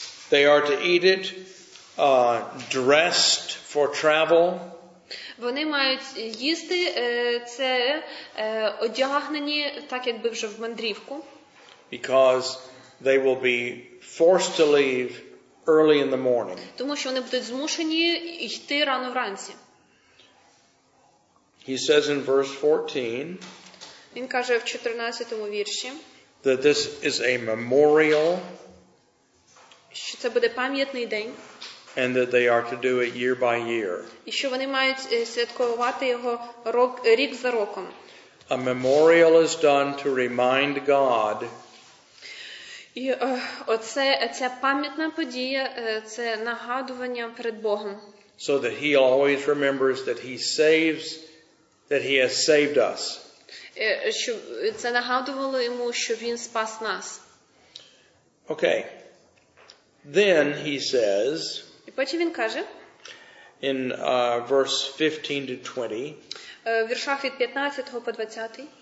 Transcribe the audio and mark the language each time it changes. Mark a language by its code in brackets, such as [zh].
[en] They are to eat it dressed for travel. [uk] Вони мають їсти це одягнені так, якби вже в мандрівку. [en] Because they will be forced to leave early in the morning. [uk] Тому що вони будуть змушені йти рано вранці. [en] He says in verse 14. [uk] Він каже в 14-му вірші. [en] That this is a memorial. [uk] Що це буде пам'ятний день. [en] And that they are to do it year by year. [uk] І що вони мають святкувати його рік за роком. [en] A memorial is done to remind God. [uk] І оце ця пам'ятна подія, це нагадування перед Богом. [en] so that he always remembers that he saves, that he has saved us. [uk] Щоб це нагадувало йому, що він спас нас. [en] Okay. Then he says, [uk] і потім він каже, [en] in verse 15 to 20, [uk] в віршах від 15 по 20,